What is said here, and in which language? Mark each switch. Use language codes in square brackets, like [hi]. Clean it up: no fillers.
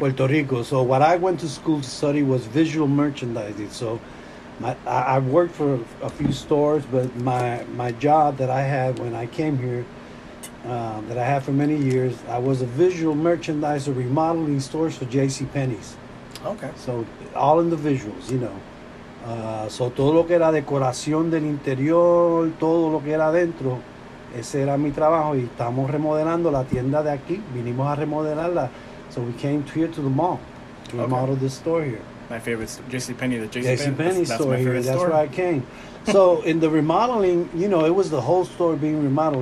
[en] Puerto Rico. So what I went to school to study was visual merchandising. So I worked for a few stores, but my job that I had when I came here, that I had for many years, I was a visual merchandiser remodeling stores for JCPenney's. Okay. So all in the visuals, you know. [es] So todo lo que era decoración del interior, todo lo que era adentro, ese era mi trabajo. Y estamos remodelando la tienda de aquí. Vinimos a remodelarla. [en] So we came here to the mall to remodel this store here. My favorite, JCPenney store. That's where I came. So in the remodeling, you know, it was the whole store being remodeled.